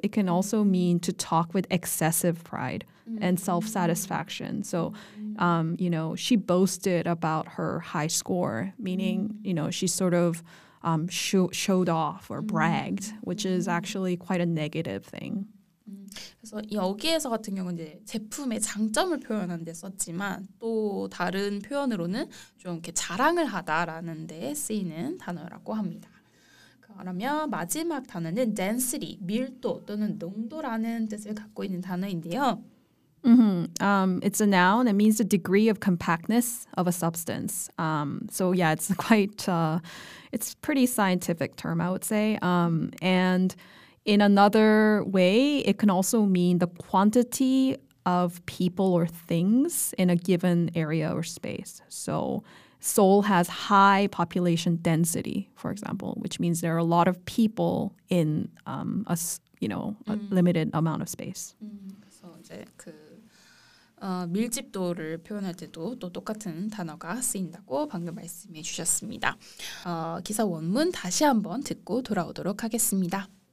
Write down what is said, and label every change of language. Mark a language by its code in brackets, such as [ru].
[en] It can also mean to talk with excessive pride. And self-satisfaction. So, you know, she boasted about her high score, meaning, you know, she sort of showed off or bragged, which is actually quite a negative thing. [ko] 그래서 여기에서 같은 경우는 이제 제품의 장점을 표현하는 데 썼지만 또 다른 표현으로는 좀 이렇게 자랑을 하다라는 데 쓰이는 단어라고 합니다. 그러면 마지막 단어는 density, 밀도 또는 농도라는 뜻을 갖고 있는 단어인데요. [en] Mm-hmm. It's a noun. It means the degree of compactness of a substance. So yeah, it's quite, it's pretty scientific term, I would say. And in another way, it can also mean the quantity of people or things in a given area or space. So Seoul has high population density, for example, which means there are a lot of people in a limited amount of space. [ko] So 이제 그 밀집도를 표현할 때도 또 똑같은 단어가 쓰인다고 방금 말씀해 주셨습니다. 기사 원문 다시 한번 듣고 돌아오도록 하겠습니다.